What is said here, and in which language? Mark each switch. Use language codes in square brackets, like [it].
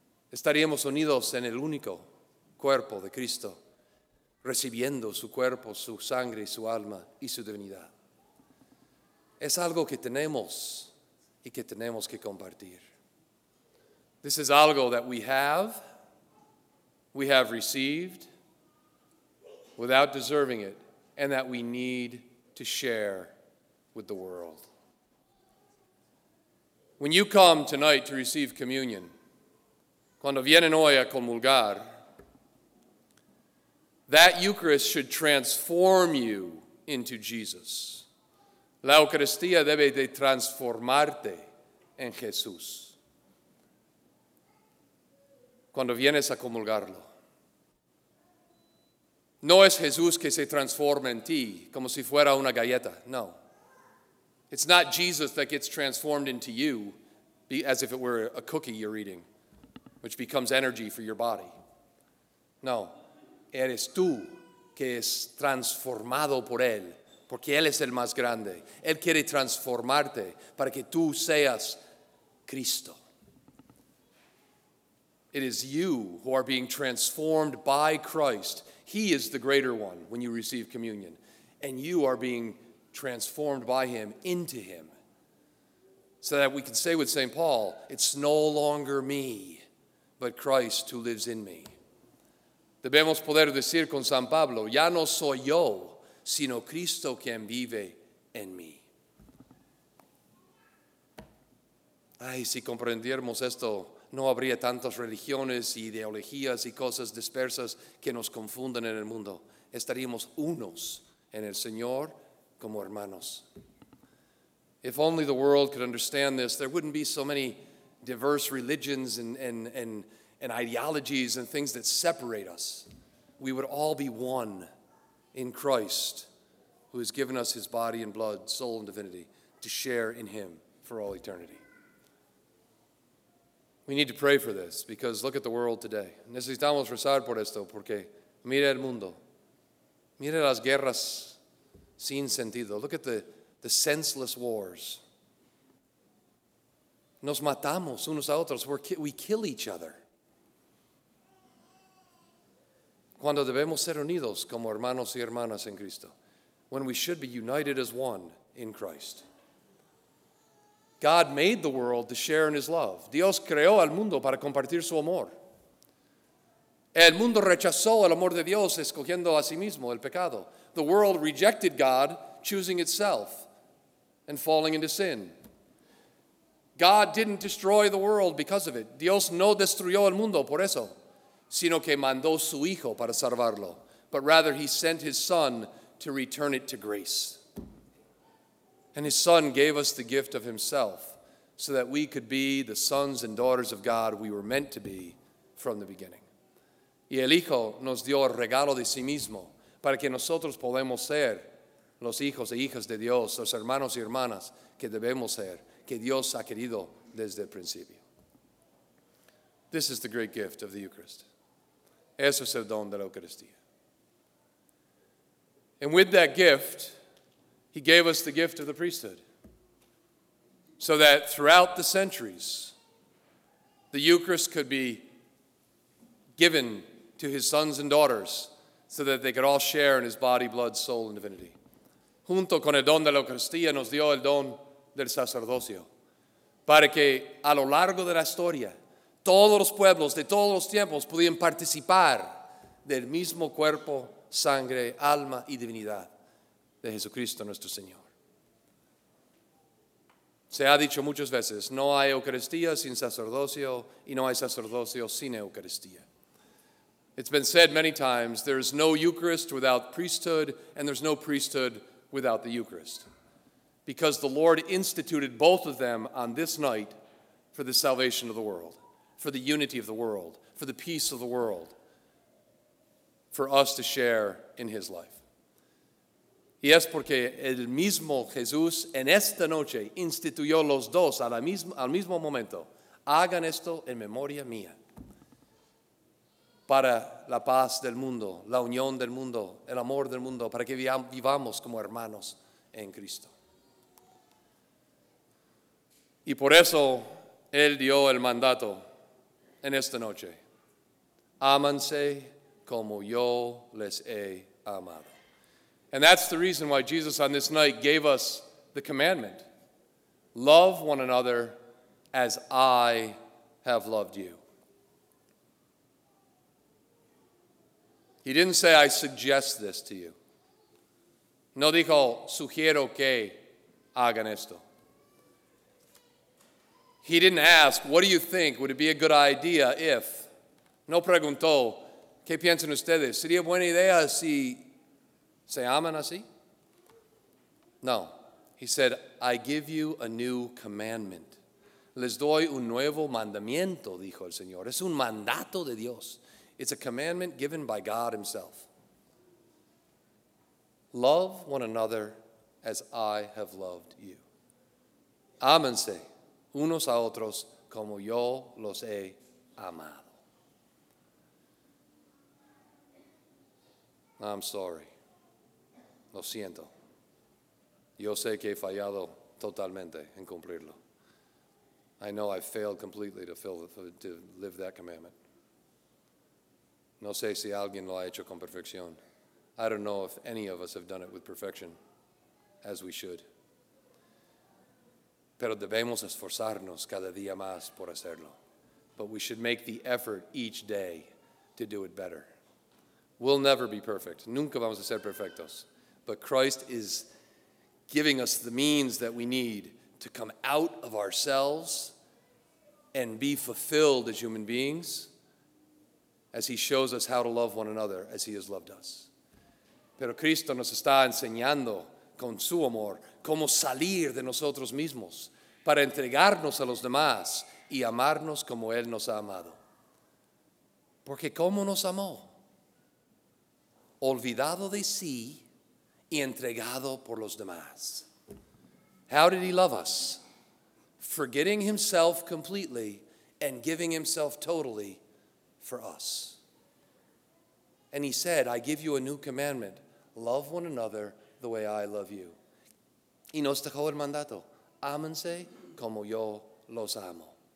[es] Estaríamos unidos en el único cuerpo de Cristo, recibiendo su cuerpo, su sangre, su alma y su divinidad. Es algo que tenemos y que tenemos que compartir. [en] This is [es] algo [en] that we have received without deserving it, and that we need to share with the world. When you come tonight to receive communion, [es] cuando vienen hoy a comulgar, [en] that Eucharist should transform you into Jesus. [es] La Eucaristía debe de transformarte en Jesús. Cuando vienes a comulgarlo. No es Jesús que se transforma en ti, como si fuera una galleta. No. [en] It's not Jesus that gets transformed into you, as if it were a cookie you're eating, which becomes energy for your body. [es] No. Eres tú que es transformado por él, porque él es el más grande. Él quiere transformarte para que tú seas Cristo. [en] It is you who are being transformed by Christ. He is the greater one when you receive communion. And you are being transformed by him into him. So that we can say with St. Paul, it's no longer me, but Christ who lives in me. [es] Debemos poder decir con San Pablo, ya no soy yo, sino Cristo quien vive en mí. Ay, si comprendiéramos esto, no habría tantas religiones, ideologías y cosas dispersas que nos confunden en el mundo. Estaríamos unos en el Señor como hermanos. [en] If only the world could understand this, there wouldn't be so many diverse religions and ideologies and things that separate us. We would all be one in Christ, who has given us his body and blood, soul and divinity, to share in him for all eternity. We need to pray for this, because look at the world today. [es] Necesitamos rezar por esto, porque mira el mundo. Mira las guerras sin sentido. [en] Look at the senseless wars. [es] Nos matamos unos a otros. [en] We kill each other. [es] Cuando debemos ser unidos como hermanos y hermanas en Cristo. [en] When we should be united as one in Christ. God made the world to share in his love. [es] Dios creó al mundo para compartir su amor. El mundo rechazó el amor de Dios escogiendo a sí mismo el pecado. [en] The world rejected God, choosing itself and falling into sin. God didn't destroy the world because of it. [es] Dios no destruyó el mundo por eso, sino que mandó su hijo para salvarlo. [en] But rather he sent his son to return it to grace. And his son gave us the gift of himself so that we could be the sons and daughters of God we were meant to be from the beginning. [es] Y el hijo nos dio el regalo de sí mismo para que nosotros podamos ser los hijos e hijas de Dios, los hermanos y hermanas que debemos ser, que Dios ha querido desde el principio. [en] This is the great gift of the Eucharist. [es] Eso es el don de la Eucaristía. [en] And with that gift, he gave us the gift of the priesthood so that throughout the centuries, the Eucharist could be given to his sons and daughters so that they could all share in his body, blood, soul, and divinity. [es] Junto con el don de la Eucaristía nos dio el don del sacerdocio para que a lo largo de la historia todos los pueblos de todos los tiempos pudieran participar del mismo cuerpo, sangre, alma y divinidad de Jesucristo nuestro Señor. Se ha dicho muchas veces, no hay Eucaristía sin sacerdocio, y no hay sacerdocio sin Eucaristía. [en] It's been said many times, there is no Eucharist without priesthood, and there's no priesthood without the Eucharist. Because the Lord instituted both of them on this night for the salvation of the world, for the unity of the world, for the peace of the world, for us to share in his life. [es] Y es porque el mismo Jesús en esta noche instituyó los dos al mismo momento. Hagan esto en memoria mía. Para la paz del mundo, la unión del mundo, el amor del mundo, para que vivamos como hermanos en Cristo. Y por eso Él dio el mandato en esta noche. Ámanse como yo les he amado. [en] And that's the reason why Jesus on this night gave us the commandment. Love one another as I have loved you. He didn't say, I suggest this to you. [es] No dijo, sugiero que hagan esto. [en] He didn't ask, what do you think? Would it be a good idea if? [es] No preguntó, ¿qué piensan ustedes? ¿Sería buena idea si se aman así? No. [en] He said, I give you a new commandment. [es] Les doy un nuevo mandamiento, dijo el Señor. Es un mandato de Dios. [en] It's a commandment given by God himself. Love one another as I have loved you. [es] Ámense unos a otros como yo los he amado. [en] I'm sorry. [es] Lo siento. Yo sé que he fallado totalmente en cumplirlo. [en] I know I've failed completely to live that commandment. [es] No sé si alguien lo ha hecho con perfección. [en] I don't know if any of us have done it with perfection, as we should. [es] Pero debemos esforzarnos cada día más por hacerlo. [en] But we should make the effort each day to do it better. We'll never be perfect. [es] Nunca vamos a ser perfectos. [en] But Christ is giving us the means that we need to come out of ourselves and be fulfilled as human beings as he shows us how to love one another as he has loved us. [es] Pero Cristo nos está enseñando con su amor cómo salir de nosotros mismos para entregarnos a los demás y amarnos como él nos ha amado. Porque ¿cómo nos amó? Olvidado de sí, y entregado por los demás. [en] How did he love us? Forgetting himself completely and giving himself totally for us. And he said, I give you a new commandment. Love one another the way I love you. [es] Y nos dejó el mandato. Ámense como yo los amo.